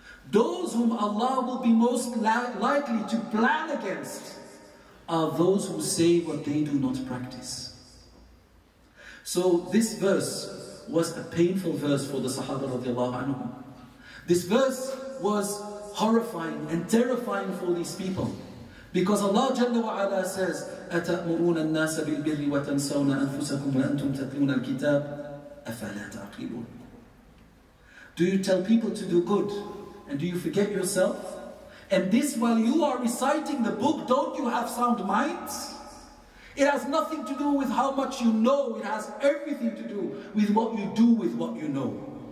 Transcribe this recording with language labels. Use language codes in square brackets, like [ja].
[en] Those whom Allah will be most likely to plan against are those who say what they do not practice. So this verse was a painful verse for the Sahaba radiallahu anhu. This verse was horrifying and terrifying for these people. Because Allah Jalla wa Ala says, [ar] أَتَأْمُرُونَ النَّاسَ بِالْبِرِّ وَتَنْسَوْنَ أَنفُسَكُمْ وَأَنْتُمْ تَتْلُونَ الْكِتَابِ أَفَلَا تَعْقِلُونَ. [en] Do you tell people to do good? And do you forget yourself? And this while you are reciting the book, don't you have sound minds? It has nothing to do with how much you know. It has everything to do with what you do with what you know.